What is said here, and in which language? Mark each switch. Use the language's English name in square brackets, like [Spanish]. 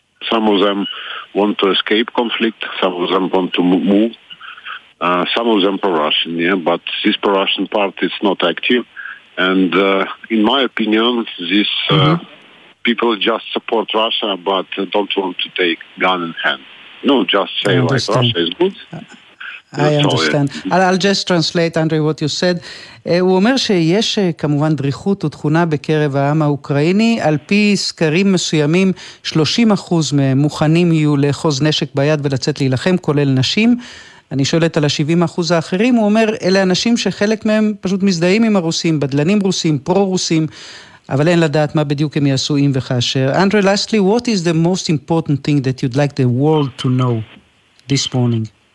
[English] some of them want to escape conflict, some of them want to move, some of them pro-Russian, yeah, but this pro-Russian part is not active, and in my opinion, these people just support Russia, but don't want to take gun in hand. No, just say, like, Russia is good, I understand. I'll just translate, Andrei, what you said. [Hebrew] הוא אומר שיש כמובן דריכות ותכונה בקרב העם האוקראיני, על פי סקרים מסוימים, 30% מוכנים יהיו לאחוז נשק ביד ולצאת להילחם, כולל נשים. אני שואלת על ה-70% האחרים, הוא אומר, אלה אנשים שחלק מהם פשוט מזדהים עם הרוסים, בדלנים רוסים, פרו-רוסים, אבל אין לדעת מה בדיוק הם יעשו אם וכאשר. [English] Andrei, lastly, what is the most important thing that you'd like the world to know this morning?